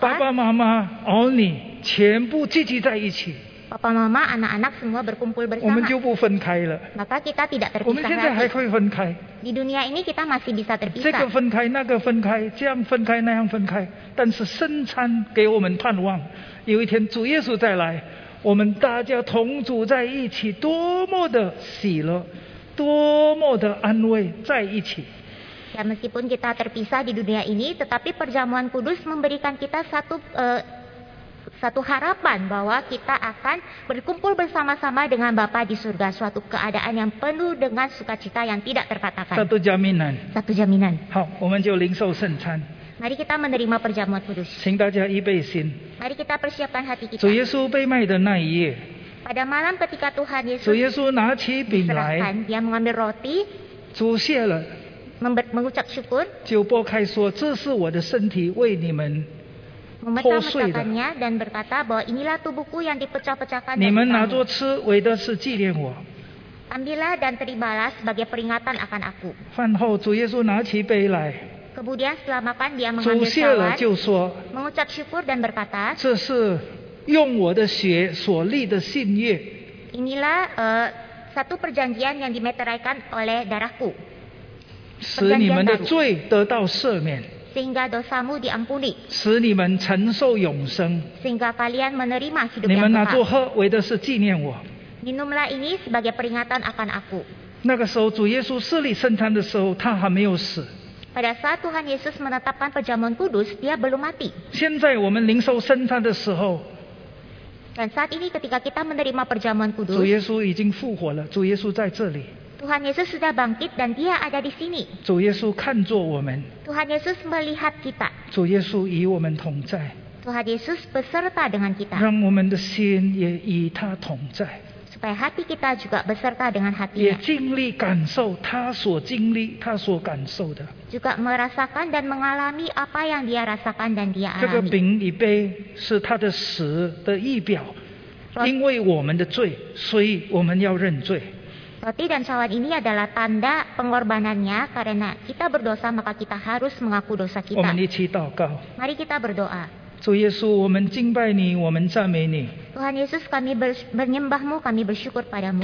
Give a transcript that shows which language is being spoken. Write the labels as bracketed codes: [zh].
[zh] Papa, mama, Oni, 全部聚集在一起, [id] Papa, mama, anak-anak semua berkumpul bersama. [zh] 我们就不分开了, [id] maka kita tidak terpisah. [zh] 我们现在还会分开, [id] di dunia ini kita masih bisa terpisah. [zh] 这个分开, 那个分开, 这样分开, 那样分开, 但是圣餐给我们盼望, 有一天主耶稣再来, 我们大家同住在一起, 多么的喜乐, 多么的安慰在一起。 [id] Ya, meskipun kita terpisah di dunia ini, tetapi perjamuan kudus memberikan kita satu harapan bahwa kita akan berkumpul bersama-sama dengan Bapa di surga, suatu keadaan yang penuh dengan sukacita yang tidak terkatakan. Satu jaminan. Satu jaminan. [zh] 好，我们就领受圣餐。 [id] Mari kita menerima perjamuan kudus. [zh] 请大家预备心。 [id] Mari kita persiapkan hati kita. [zh] 主耶稣被卖的那一夜。 [id] Pada malam ketika Tuhan Yesus diserahkan, dia mengambil roti. [zh] 主谢了。 [id] Mengucap syukur, [zh] 就拨开说, 这是我的身体为你们 [id] memecah-pecahkannya dan berkata bahwa inilah tubuhku yang dipecah-pecahkan. [zh] 你们拿着吃, 为的是纪念我。 [id] Ambillah dan terimalah sebagai peringatan akan aku. [zh] 饭后, 主耶稣拿起杯来, [id] kemudian setelah makan dia mengambil cawan, [zh] 就说, [id] mengucap syukur dan berkata, [zh] 这是用我的血所立的信约。 [id] Inilah satu perjanjian yang dimeteraikan oleh darahku, [zh] 使你们的罪得到赦免, [id] sehingga dosamu diampuni, [zh] 使你们承受永生, [id] sehingga kalian menerima hidup yang kekal. [zh] 你们拿着喝, 为的是纪念我。 [id] Minumlah ini sebagai peringatan akan aku. [zh] 那个时候, 主耶稣设立圣餐的时候, 他还没有死。 [id] Pada saat Tuhan Yesus menetapkan perjamuan kudus, dia belum mati. [zh] 现在我们领受圣餐的时候, [id] dan saat ini ketika kita menerima perjamuan kudus, [zh] 主耶稣已经复活了, 主耶稣在这里。 [id] Tuhan Yesus sudah bangkit dan dia ada di sini. [zh] 主耶稣看着我们, [id] Tuhan Yesus melihat kita. [zh] 主耶稣与我们同在, [id] Tuhan Yesus beserta dengan kita. [zh] 让我们的心也与他同在, [id] supaya hati kita juga beserta dengan hatinya. [zh] 也经历感受他所经历他所感受的, [id] juga merasakan dan mengalami apa yang dia rasakan dan dia alami. [zh] 这个饼与杯是他的死的预表, 因为我们的罪所以我们要认罪。 [id] Roti dan cawan ini adalah tanda pengorbanannya, karena kita berdosa maka kita harus mengaku dosa kita. [zh] 我们一起祷告。 [id] Mari kita berdoa. [zh] 主耶稣, 我们敬拜你, 我们赞美你。 [id] Tuhan Yesus, kami menyembahmu, kami bersyukur padamu.